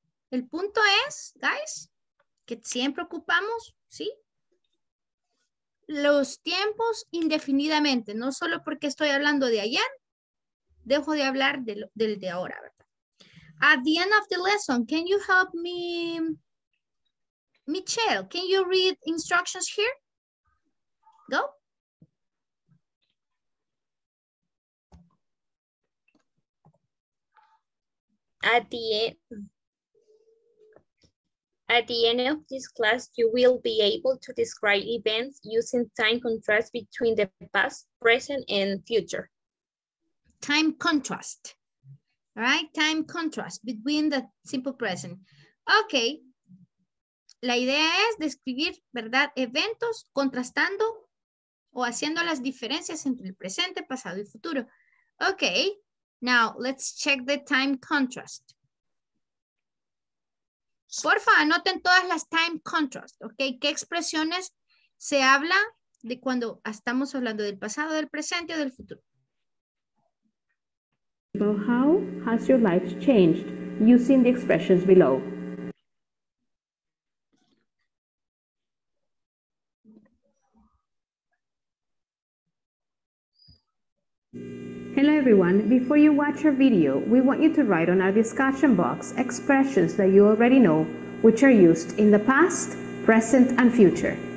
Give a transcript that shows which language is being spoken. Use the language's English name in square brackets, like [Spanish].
[Spanish] El punto es, guys, que siempre ocupamos, ¿sí? Los tiempos indefinidamente, no solo porque estoy hablando de ayer, dejo de hablar del de ahora, ¿verdad? [English] At the end of the lesson, can you help me, Michelle, can you read instructions here? Go. At the end of this class, you will be able to describe events using time contrast between the past, present, and future. Time contrast, right? Time contrast between the simple present. Okay. [Spanish] La idea es describir, ¿verdad? Eventos contrastando o haciendo las diferencias entre el presente, pasado y futuro. Okay. [English] Now, let's check the time contrast. [Spanish] Porfa, anoten todas las time contrast, ¿ok? ¿Qué expresiones se habla de cuando estamos hablando del pasado, del presente o del futuro? [English] So how has your life changed using the expressions below? Hello everyone, before you watch our video, we want you to write on our discussion box expressions that you already know, which are used in the past, present, and future.